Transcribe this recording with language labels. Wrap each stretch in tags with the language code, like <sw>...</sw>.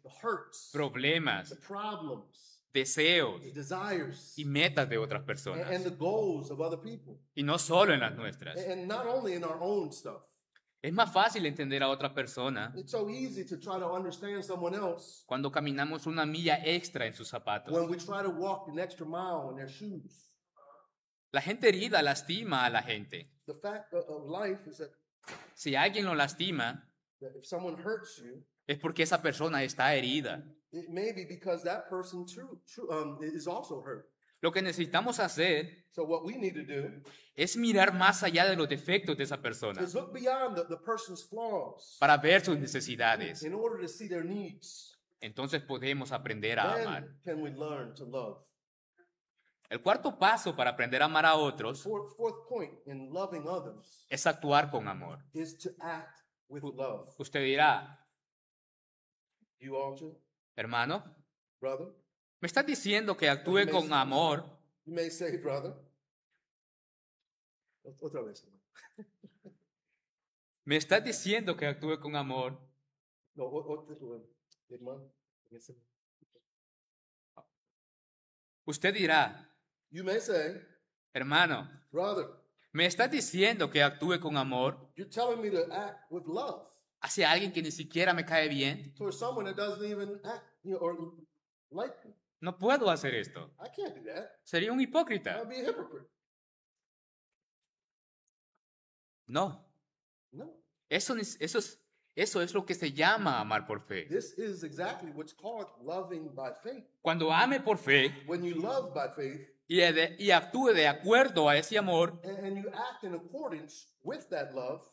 <en>The hurts.</en> <es>Problemas.</es> <en>The problems.</en> <es>Deseos.</es> <en>The desires.</en> <es>Y metas de otras personas.</es> <en>And the goals of other people.</en> <es>Y no solo en las nuestras.</es> <en>And not only in our own stuff.</en> <es>Es más fácil entender a otra persona</es> <en>it's so easy to try to understand someone else</en> <es>cuando caminamos una milla extra en sus zapatos.</es> <en>When we try to walk an extra mile in their shoes.</en> <es>La gente herida lastima a la gente.</es> <en>The fact of life is that</en> <es>si alguien lo lastima,</es> <en>if someone hurts you,</en> <es>es porque esa persona está herida.</es> <en>It may be because that person too is also hurt.</en> <es>Lo que necesitamos hacer</es> <en>so what we need to do</en> <es>es mirar más allá de los defectos de esa persona</es> <en>is look beyond the person's flaws</en> <es>para ver sus necesidades.</es> <en>In order to see their needs.</en> <es>Entonces podemos aprender a</es> <en>then</en> <es>amar.</es> <en>Can we learn to love.</en> <es>El cuarto paso para aprender a amar a otros</es> <en>fourth point in loving others</en> <es>es actuar con amor.</es> <en>Is to act with love.</en> <es>Usted dirá,</es> <en>you also,</en> <es>hermano,</es> <en>brother,</en> <es>me estás diciendo que actúe con say, amor.</es> <en>You may say, brother.</en> <es>Otra vez. Me estás diciendo que actúe con amor. No, hermano. Usted dirá.</es> <en>You may say.</en> <es>Hermano.</es> <en>Brother.</en> <es>Me estás diciendo que actúe con amor.</es> <en>You're telling me to act with love.</en> <es>Hacia alguien que ni siquiera me cae bien.</es> <en>Towards someone that doesn't even act, you know, or like me.</en> <es>No puedo hacer esto.</es> <en>I can't do that.</en> <es>Sería un hipócrita.</es> <en>I'll be a hypocrite.</en> <es>No.</es> <en>No.</en> <es>Eso es lo que se llama amar por fe.</es> <en>This is exactly what's called loving by faith.</en> <es>Cuando ame por fe.</es> <en>When you love by faith.</en> <es>Y actúe de acuerdo a ese amor.</es> <en>And you act in accordance with that love.</en>